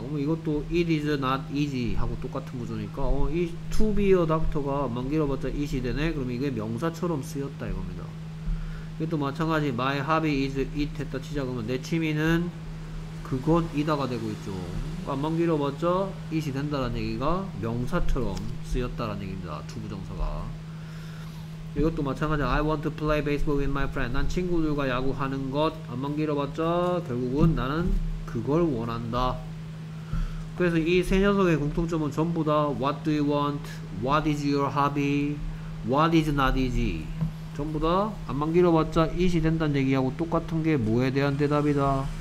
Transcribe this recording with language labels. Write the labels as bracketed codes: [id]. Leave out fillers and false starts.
[ko] 그럼 이것도 [en] it is not easy [ko] 하고 똑같은 구조니까 [en] to be a doctor [ko] 가 안만 길어봤자 it이 되네. 그럼 이게 명사처럼 쓰였다 이겁니다. 이게 또 마찬가지 [en] my hobby is it [ko] 했다 치자 그러면 내 취미는 그것이다가 되고 있죠. 안만 길어봤자 it이 된다라는 얘기가 명사처럼 쓰였다라는 얘기입니다. 투부정사가. 이것도 마찬가지 [en] I want to play baseball with my friend. [ko] 난 친구들과 야구하는 것 안만 길어봤자 결국은 나는 그걸 원한다. 그래서 이 세 녀석의 공통점은 전부 다 [en] What do you want? What is your hobby? What is not easy? [ko] 전부 다 안만 길어봤자 it이 된다는 얘기하고 똑같은 게 뭐에 대한 대답이다?